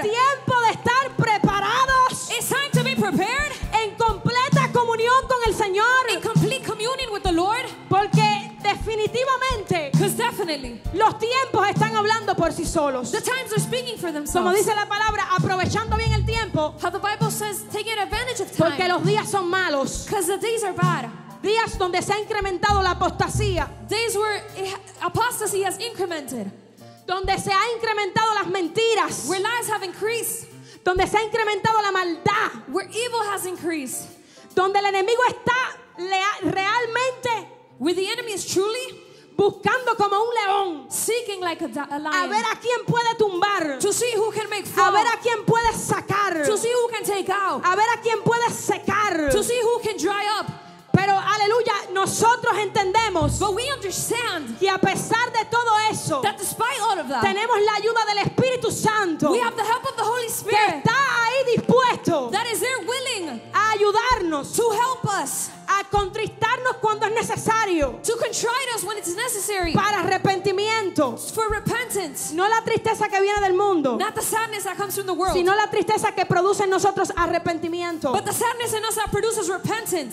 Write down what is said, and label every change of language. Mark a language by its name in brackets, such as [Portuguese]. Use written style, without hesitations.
[Spanish] Es tiempo de estar preparados. [English] It's time to be prepared. [Spanish] En completa comunión con el Señor. [English] In complete communion with the Lord. [Spanish] Porque definitivamente, [English] because definitely, [Spanish] los tiempos están hablando por sí solos. [English] The times are speaking for themselves. [Spanish] Como dice la palabra, aprovechando bien el tiempo. [English] How the Bible says, taking advantage of time. [Spanish] Porque los días son malos. [English] Because the days are bad. [Spanish] Días donde se ha incrementado la apostasía. [English] Days where apostasy has incremented. [Spanish] Donde se ha incrementado las mentiras. [English] Where lies have increased. [Spanish] Donde se ha incrementado la maldad. [English] Where evil has increased. [Spanish] Donde el enemigo está realmente. [English] Where the enemy is truly [Spanish] buscando como un león, [English] seeking like a lion, [Spanish] a ver a quién puede tumbar, [English] to see who can make fall, [Spanish] a ver a quién puede sacar, [English] to see who can take out, [Spanish] a ver a quién puede secar, [English] to see who can dry up. [Spanish] Pero aleluya, nosotros entendemos, [English] but we understand, [Spanish] que a pesar de todo eso, [English] that despite all of that, [Spanish] tenemos la ayuda del Espíritu Santo, [English] we have the help of the Holy Spirit, [Spanish] que está ahí dispuesto, [English] that is there willing, [Spanish] a ayudarnos, [English] to help us, [Spanish] a contristarnos cuando es necesario, [English] to contrite us when it's necessary, [Spanish] para arrepentimiento, [English] for repentance, [Spanish] no la tristeza que viene del mundo, [English] not the sadness that comes from the world, [Spanish] sino la tristeza que produce en nosotros arrepentimiento, [English] but the sadness in us that produces repentance,